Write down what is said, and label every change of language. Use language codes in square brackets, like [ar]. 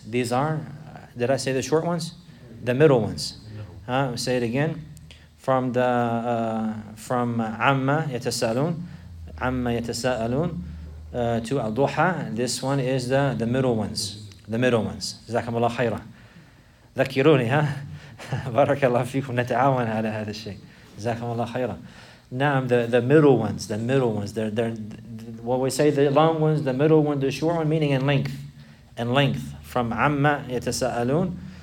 [en] These are, did I say the short ones? The middle ones. Say it again. From the, from Amma Yatasa'alun. Amma Yatasa'alun to Al-Duha. This one is the middle ones. The middle ones. [ar] جزاكم الله خيرا. ذكروني ها. بارك الله فيكم نتعاون على هذا الشيء. جزاكم الله خيرا. [en] نعم, the middle ones. They're what we say, the long ones, the middle one, the short one, meaning in length. In length. From Amma يتساءلون.